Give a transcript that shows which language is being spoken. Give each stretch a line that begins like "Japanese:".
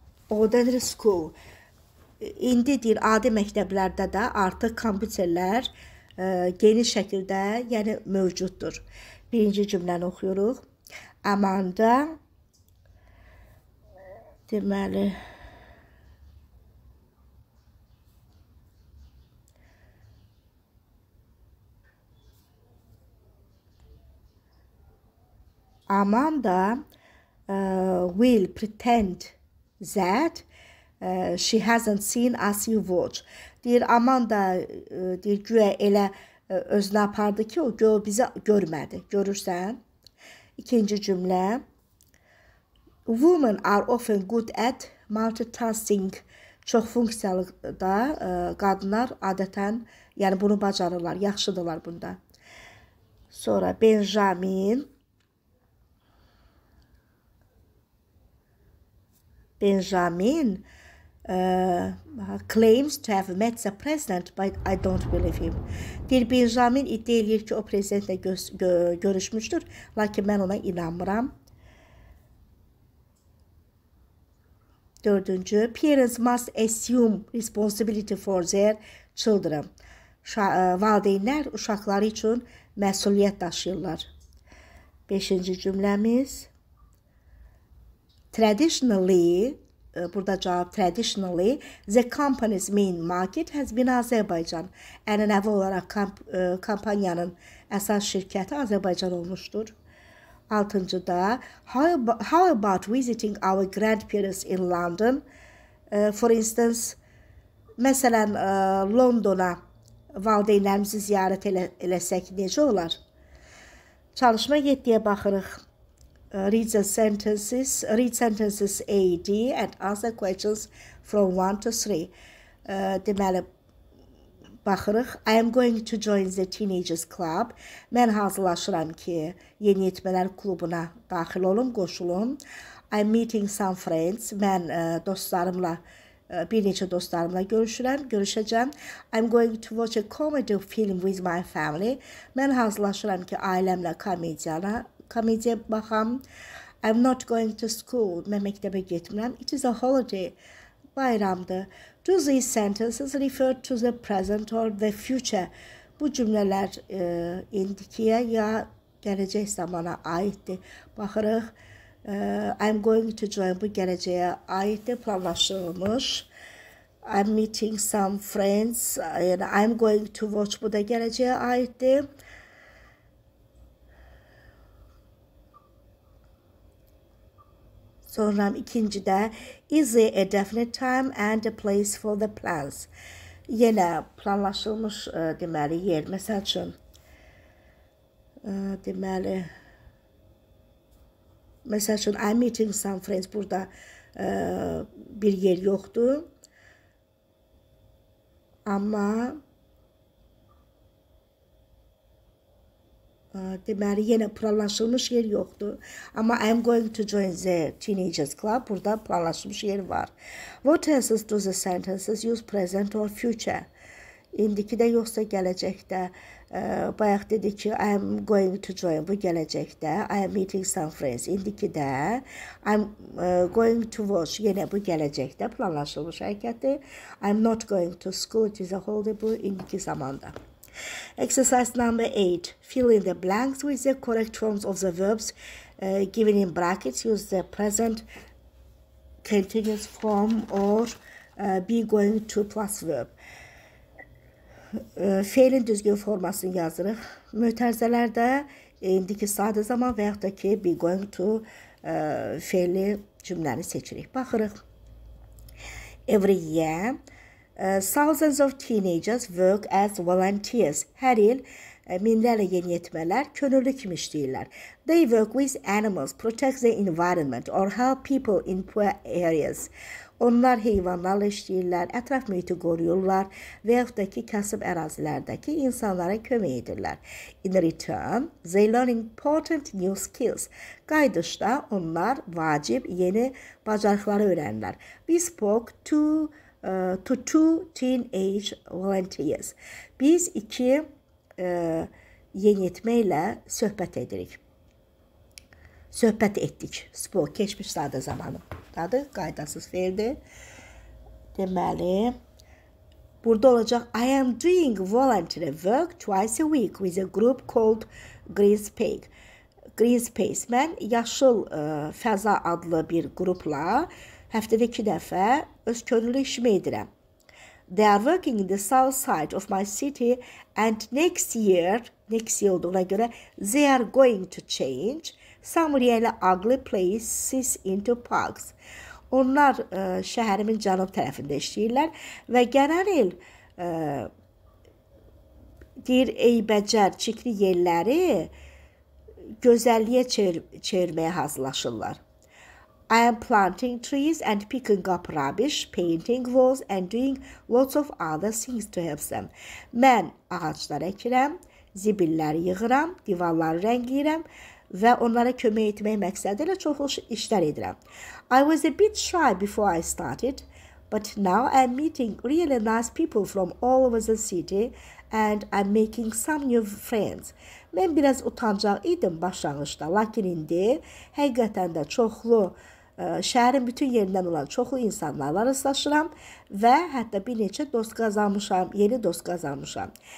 English: Ordinary school.
Azerbaijani: İndi deyil, adi məktəblərdə də artıq kompüterlər... geniş şəkildə, yəni mövcuddur. Birinci cümləni oxuyuruq.
English: Amanda
Azerbaijani: deməli
English: Amanda will pretend that she hasn't seen as you watch.
Azerbaijani: Deyir, Amanda deyir, güya elə özünə apardı ki, o göl bizi görmədi. Görürsən? İkinci cümlə.
English: Women are often good at multitasking.
Azerbaijani: Çox funksiyalı da qadınlar adətən, yəni bunu bacarırlar, yaxşıdırlar bunda. Sonra Benjamin. Benjamin.
English: Claims to have met the president, but I don't believe him.
Azerbaijani: Deyir, Benjamin iddia edir ki, o prezidentlə görüşmüşdür, lakin mən ona inanmıram. Dördüncü,
English: parents must assume responsibility for their children.
Azerbaijani: Valideynlər uşaqları üçün məsuliyyət daşıyırlar. Beşinci cümləmiz.
English: Traditionally,
Azerbaijani: burada cavab
English: traditionally, the company's main market has been Azerbaycan.
Azerbaijani: Ənənəvi olaraq kampaniyanın əsas şirkəti Azerbaycan olmuşdur. Altıncı da,
English: how about visiting our grandparents in London? For instance,
Azerbaijani: məsələn, Londona valideynlərimizi ziyarət eləsək necə olar? Çalışma 7-yə baxırıq.
English: Read the sentences, read sentences A, D and answer questions from 1 to 3.
Azerbaijani: Deməli, baxırıq.
English: I am going to join the teenagers club.
Azerbaijani: Mən hazırlaşıram ki, yeni yetmələr klubuna daxil olun, qoşulun.
English: I am meeting some friends.
Azerbaijani: Mən dostlarımla, bir neçə dostlarımla görüşəcəm.
English: I am going to watch a comedy film with my family.
Azerbaijani: Mən hazırlaşıram ki, ailəmlə komediyana komediyə baxam.
English: I'm not going to school.
Azerbaijani: Mən məktəbə getmirəm.
English: It is a holiday.
Azerbaijani: Bayramdır.
English: Do these sentences refer to the present or the future?
Azerbaijani: Bu cümlələr indikiyə ya gələcək zamana aiddir. Baxırıq.
English: I'm going to join.
Azerbaijani: Bu gələcəyə aiddir. Planlaşdırılmış.
English: I'm meeting some friends. And I'm going to watch.
Azerbaijani: Bu da gələcəyə aiddir. Sonra ikinci də,
English: is there a definite time and a place for the plans?
Azerbaijani: Yenə planlaşılmış deməli yer, məsəl üçün, deməli, məsəl üçün,
English: I'm meeting some friends,
Azerbaijani: burada bir yer yoxdur. Amma, deməli, yenə planlaşılmış yer yoxdur. Amma
English: I'm going to join the teenagers club.
Azerbaijani: Burada planlaşılmış yer var.
English: What tenses do the sentences use present or future?
Azerbaijani: indiki də yoxsa gələcəkdə, bayaq dedi ki,
English: I am going to join,
Azerbaijani: bu gələcəkdə,
English: I am meeting some friends,
Azerbaijani: indiki də,
English: I am going to watch,
Azerbaijani: yenə bu gələcəkdə planlaşılmış hərəkətdir,
English: I am not going to school, it is a holiday,
Azerbaijani: bu indiki zamanda.
English: Exercise number 8. Fill in the blanks with the correct forms of the verbs given in brackets. Use the present continuous form or be going to plus verb.
Azerbaijani: Fiilin düzgün formasını yazırıq. Mötərizələrdə indiki sadə zaman və yaxud da ki be going to fiili cümləni seçirik. Baxırıq.
English: Every year thousands of teenagers work as volunteers.
Azerbaijani: Hər il minlərlə yeniyetmələr könüllü kimi işləyirlər.
English: They work with animals, protect the environment or help people in poor areas.
Azerbaijani: Onlar heyvanlarla işləyirlər, ətraf mühiti qoruyurlar və yaxud da ki, kasıb ərazilərdəki insanlara kömək edirlər.
English: In return, they learn important new skills.
Azerbaijani: Qayıdışda onlar vacib yeni bacarıqları öyrənirlər.
English: We spoke to two teenage volunteers.
Azerbaijani: Biz iki yeniyetmə ilə söhbət edirik. Söhbət etdik. Spoke, keçmiş sadə zamanı. Dadı, qaydasız verdi. Deməli, burada olacaq,
English: I am doing volunteer work twice a week with a group called Green Space.
Azerbaijani: Green Space, mən yaşıl fəza adlı bir qrupla həftədə iki dəfə öz könüllü işimi edirəm.
English: They are working in the south side of my city and next year
Azerbaijani: olduğuna görə
English: they are going to change some really ugly places into parks.
Azerbaijani: Onlar şəhərimin cənub tərəfində işləyirlər və gələn il deyir eybəcər çirkli yerləri gözəlliyə çevirməyə hazırlaşırlar.
English: I am planting trees and picking up rubbish, painting walls and doing lots of other things to help them.
Azerbaijani: Mən ağaclar əkirəm, zibilləri yığıram, divarları rəngləyirəm və onlara kömək etmək məqsədilə çox işlər edirəm.
English: I was a bit shy before I started, but now I am meeting really nice people from all over the city and I'm making some new friends.
Azerbaijani: Mən biraz utancaq idim başlanğıcda, lakin indi həqiqətən də çoxlu, şəhərin bütün yerindən olan çoxlu insanlarla rastlaşıram və hətta bir neçə dost qazanmışam, yeni dost qazanmışam.